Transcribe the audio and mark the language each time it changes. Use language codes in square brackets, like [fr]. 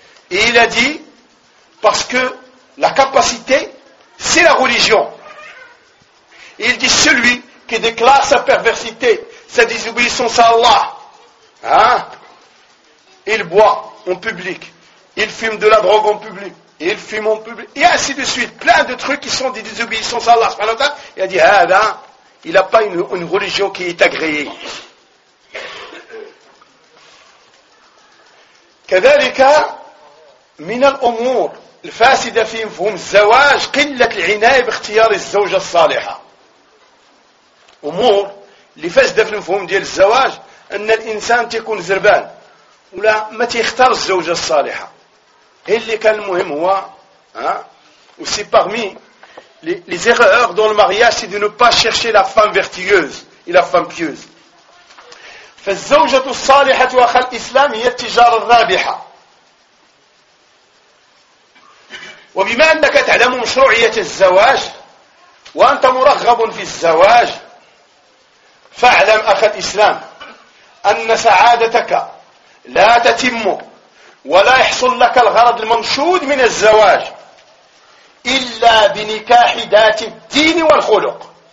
[fr] et il a dit parce que la capacité c'est la religion et il dit celui qui déclare sa perversité sa désobéissance à Allah Il boit en public, il fume de la drogue en public, il fume en public, et ainsi de suite. Plein de trucs qui sont des désobéissances à Allah. Il a dit, il n'a pas une religion qui est agréée. [ar] كذلك من الأمور الفاسدة في مفهوم الزواج قلة العناية باختيار الزوجة الصالحة. أمور اللي فاسدة في مفهوم ديال الزواج ان الانسان تيكون زربان ولا ما تيختار الزوجه الصالحه. هي اللي كان المهم هو ها و سي [fr] parmi les erreurs dans le mariage c'est de ne pas chercher la femme vertueuse et la femme pieuse. [ar] فالزوجه الصالحه واخا الاسلام هي التجاره الرابحه. وبما انك تعلم مشروعيه الزواج وانت مرغب في الزواج فاعلم اخ الاسلام ان سعادتك لا تتم ولا يحصل لك الغرض المنشود من الزواج الا بنكاح ذات الدين والخلق.